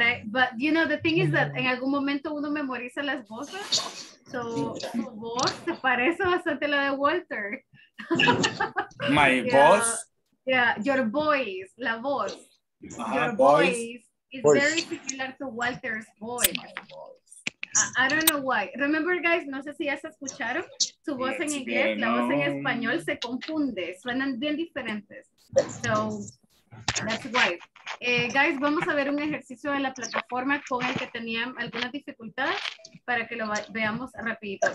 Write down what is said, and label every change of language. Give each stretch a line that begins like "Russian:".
English: But you know, the thing is that
Spanish: en algún momento uno memoriza las voces. So tu voz se parece bastante a la de Walter.
English: My yeah. voice. Yeah, your voice,
Spanish: la voz.
English: Your voice is voice. Very similar to Walter's voice. I don't know why. Remember, guys,
Spanish: no sé si ya se escucharon. Su voz
English: it's
Spanish: en inglés, bien, la voz en español se confunde. Suenan bien diferentes.
English: So, that's why.
Spanish: Guys, vamos a ver un ejercicio de la plataforma con el que tenían alguna dificultad para que lo veamos rapidito.